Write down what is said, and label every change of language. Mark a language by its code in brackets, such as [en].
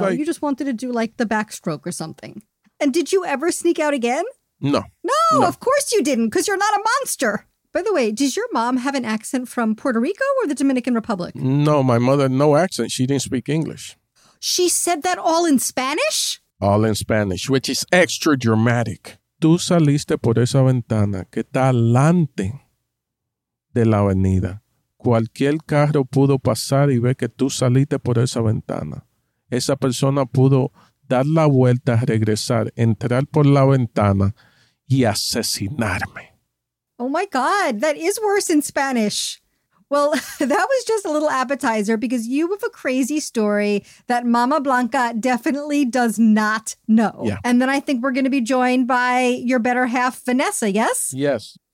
[en] Like, you just wanted to do, like, the backstroke or something. And did you ever sneak out again? No, of course you didn't, because you're not a monster. By the way, does your mom have an accent from Puerto Rico or the Dominican Republic? No, my mother, no accent. She didn't speak English. She said that all in Spanish? All in Spanish, which is extra dramatic. [es] Tú saliste por esa ventana que está alante de la avenida. Cualquier carro pudo pasar y ver que tú saliste por esa ventana. Esa persona pudo dar la vuelta, regresar, entrar por la ventana y asesinarme. [en] Oh, my God. That is worse in Spanish. Well, that was just a little appetizer because you have a crazy story that Mama Blanca definitely does not know. Yeah. And then I think we're going to be joined by your better half, Vanessa, yes? Yes.